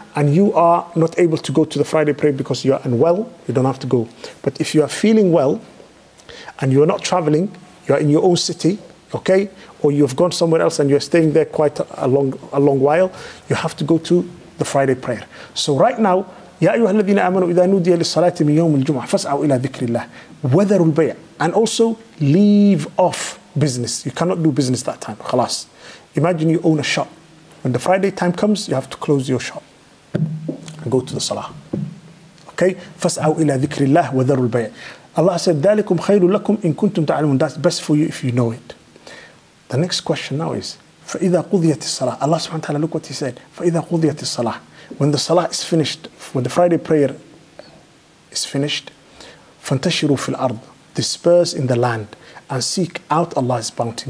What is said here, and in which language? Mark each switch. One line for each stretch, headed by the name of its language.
English: and you are not able to go to the Friday prayer because you are unwell, you don't have to go. But if you are feeling well and you are not traveling, you are in your own city, okay, or you have gone somewhere else and you are staying there quite a long while, you have to go to the Friday prayer. So right now,
Arabic: يَا أَيُّهَا الَّذِينَ آمَنُوا إِذَا نُودِيَ لِلصَّلَاةِ مِنْ يَوْمِ الْجُمْعَةِ فَاسْعَوْا إِلَى ذِكْرِ اللَّهِ وَذَرُوا الْبَيْعَ.
English: And also, leave off business. You cannot do business that time. خلاص. Imagine you own a shop. When the Friday time comes, you have to close your shop and go to the salah.
Arabic: Okay? فَاسْعَوْا إِلَى ذِكْرِ اللَّهِ وَذَرُوا الْبَيْعَ.
English: Allah said,
Arabic: ذَلِكُمْ خَيْرٌ لَكُمْ إِن كُنْتُمْ تَعْلَمُونَ.
English: That's best for you if you know it. The next question now is,
Arabic: فَإِذَا قُضِيَتِ الصَّلَاةِ.
English: Allah subhanahu wa ta'ala, look what he said.
Arabic: فَإِذَا قُضِيَتِ الصَّلَاةِ.
English: When the salah is finished, when the Friday prayer is finished,
Arabic: فَانْتَشِرُوا فِي الْأَرْضِ.
English: Disperse in the land and seek out Allah's bounty.